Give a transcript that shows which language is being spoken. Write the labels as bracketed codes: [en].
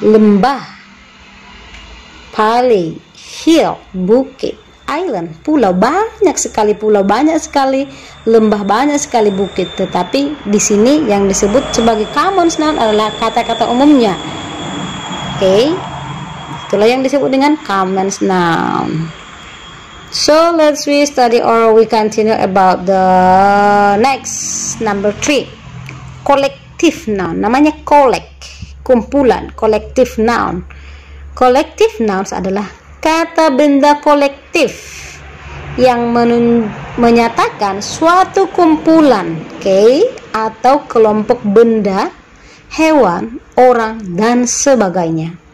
[id] Lembah, valley, hill, bukit, island, pulau, banyak sekali pulau, banyak sekali lembah, banyak sekali bukit. Tetapi di sini yang disebut sebagai common noun adalah kata-kata umumnya. Oke, okay. Itulah yang disebut dengan common noun. [en] So let's we study or we continue about the next number three, collective noun. [id] Namanya collect, kumpulan, collective noun. Collective nouns adalah kata benda kolektif yang menyatakan suatu kumpulan, okay, atau kelompok benda, hewan, orang, dan sebagainya.